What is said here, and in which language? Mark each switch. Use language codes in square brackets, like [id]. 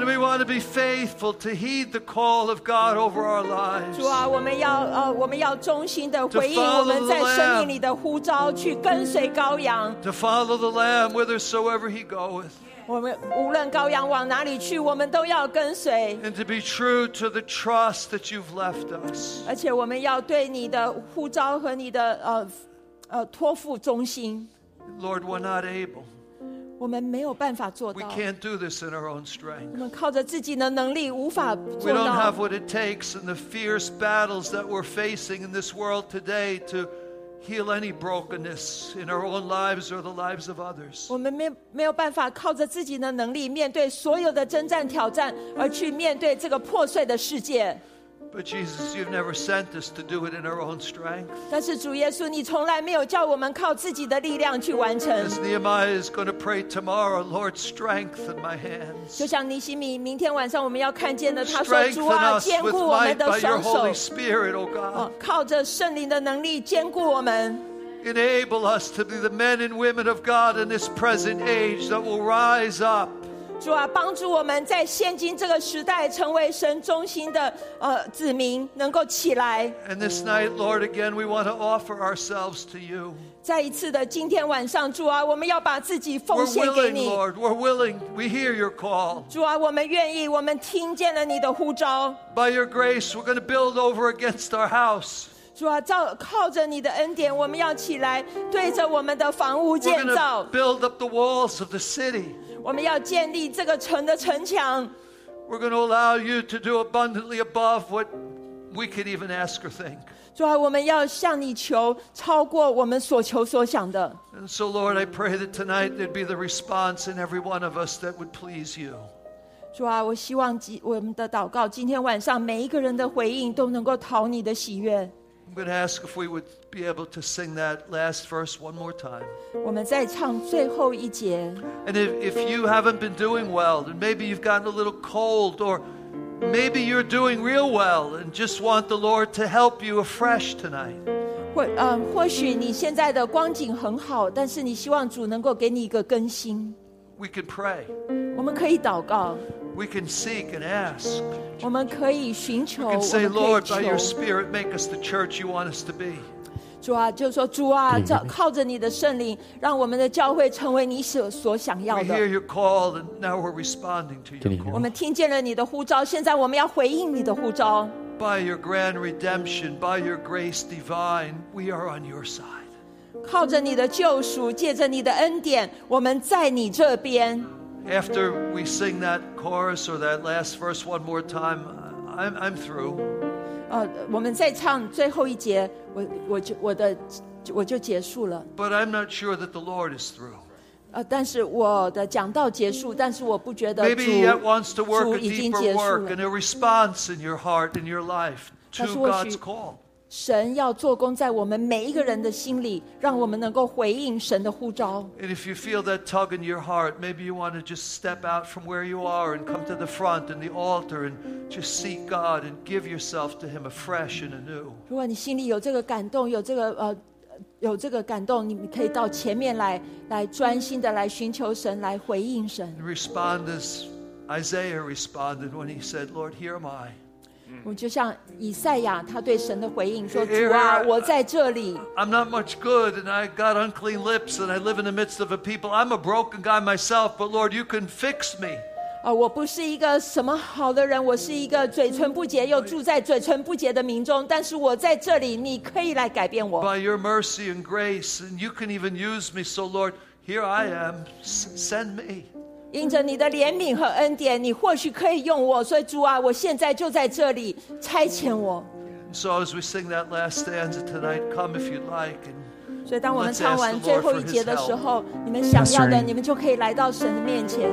[en] And we want to be faithful to heed the call of God over our lives. [zh] 主啊，我们要忠心地回应我们在生命里的呼召，去跟随羔羊。 [en] To follow the Lamb whithersoever He goeth. [zh] 我们无论羔羊往哪里去，我们都要跟随。 [en] And to be true to the trust that you've left us. [zh] 而且我们要对你的呼召和你的托付忠心。 [en] Lord, we're not able. [zh] 我们没有办法做到。 [en] We can't do this in our own strength. [zh] 我们靠着自己的能力无法做到。 [en] We don't have what it takes in the fierce battles that we're facing in this world today to. Heal any brokenness in our own lives or the lives of others. [zh] 我们没有办法靠着自己的能力面对所有的征战挑战，而去面对这个破碎的世界。 [en] But Jesus, you've never sent us to do it in our own strength. [zh] 但是主耶稣，你从来没有叫我们靠自己的力量去完成。 [en] As Nehemiah is going to pray tomorrow, Lord, strengthen my hands. [zh] 就像尼希米明天晚上我们要看见的，他说：“主啊，坚固我们的双手。” [en] Strengthen us with might by your Holy Spirit, O God. [zh] 靠着圣灵的能力坚固我们。 [en] Enable us to be the men and women of God in this present age that will rise up. [zh] 主啊，帮助我们在现今这个时代成为神忠心的子民，能够起来。 [en] And this night, Lord, again, we want to offer ourselves to you. [zh] 再一次的，今天晚上，主啊，我们要把自己奉献给你。 [en] We're willing, Lord. We're willing. We hear your call. [zh] 主啊，我们愿意，我们听见了你的呼召。 [en] By your grace, we're going to build over against our house. [zh] 主啊，靠着你的恩典，我们要起来对着我们的房屋建造。 [en] We're build up the walls of the city. [zh] 我们要建立这个城的城墙。 [en] We're going to allow you to do abundantly above what we could even ask or think. [zh] 主啊，我们要向你求超过我们所求所想的。 [en] And so, Lord, I pray that tonight there'd be the response in every one of us that would please you. [zh] 主啊，我希望我们的祷告今天晚上每一个人的回应都能够讨你的喜悦。 [en] I'm going to ask if we would be able to sing that last verse one more time. [zh] 我们再唱最后一节。 [en] And if you haven't been doing well, and maybe you've gotten a little cold, or maybe you're doing real well and just want the Lord to help you afresh tonight. [zh] 或许你现在的光景很好，但是你希望主能够给你一个更新。 [en] We can pray. [zh] 我们可以祷告。 [en] We can seek and ask. [zh] 我们可以寻求。 [en] We can say, Lord, by your Spirit, make us the church you want us to be. [zh] 主啊，就说主啊，靠着你的圣灵，让我们的教会成为你所想要的。 [en] We hear your call, and now we're responding to your call. [zh] 我们听见了你的呼召，现在我们要回应你的呼召。 [en] By your grand redemption, by your grace divine, we are on your side. [zh] 靠着你的救赎，借着你的恩典，我们在你这边。 [en] After we sing that chorus or that last verse one more time, I'm through. [zh] 我们再唱最后一节，我就结束了。 [en] But I'm not sure that the Lord is through. [zh] 但是我的讲道结束，但是我不觉得。 [en] Maybe He wants to work a deeper work and a response in your heart, in your life to God's call. [zh] 神要做工在我们每一个人的心里，让我们能够回应神的呼召。 [en] And if you feel that tug in your heart, maybe you want to just step out from where you are and come to the front and the altar and just seek God and give yourself to Him afresh and anew. [zh] 如果你心里有这个感动，有这个感动，你可以到前面来，来专心的来寻求神，来回应神。 [en] Respond as Isaiah responded when he said, "Lord, here am I." [zh] 我就像以赛亚他对神的回应说，主啊，我在这里。 [en] I'm not much good and I got unclean lips and I live in the midst of a people. I'm a broken guy myself, but Lord, you can fix me. [zh] 我不是一个什么好的人，我是一个嘴唇不洁又住在嘴唇不洁的民中，但是我在这里，你可以来改变我。 [en] By your mercy and grace, and you can even use me, so Lord, here I am, send me. [zh] 因着你的怜悯和恩典，你或许可以用我，所以主啊，我现在就在这里，差遣我。 [en] So as we sing that last stanza tonight, come if you'd like. [zh] 所以当我们唱完最后一节的时候，你们想要的，你们就可以来到神的面前。